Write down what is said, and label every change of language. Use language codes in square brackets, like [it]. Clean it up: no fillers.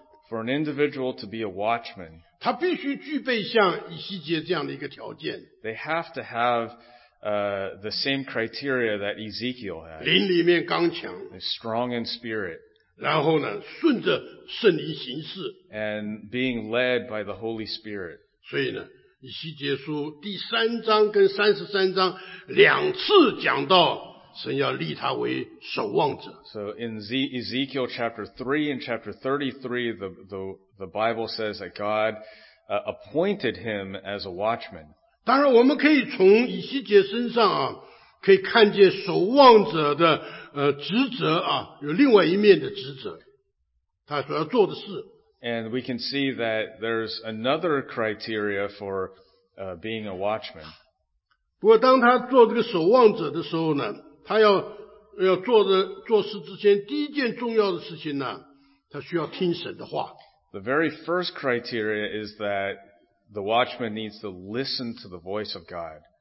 [en] For an individual to be a watchman, they have to have the same criteria that Ezekiel had. [zh] 灵里面刚强, [en] strong in spirit. [zh] 然后呢, 顺着圣灵行事, [en] and being led by the Holy Spirit. [zh] 所以呢, 以西结书第三章跟33章两次讲到神要立他为守望者。 [en] So in Ezekiel chapter 3 and chapter 33, the Bible says that God appointed him as a watchman. [zh] 当然我们可以从以西结身上啊, 可以看见守望者的 职责啊，有另外一面的职责，他所要做的事。 [en] And we can see that there's another criteria for being a watchman. [zh] 不过当他做这个守望者的时候呢，他要做事之前第一件重要的事情呢，他需要听神的话。 [en] The very first criteria is that the watchman needs to listen to the voice of God.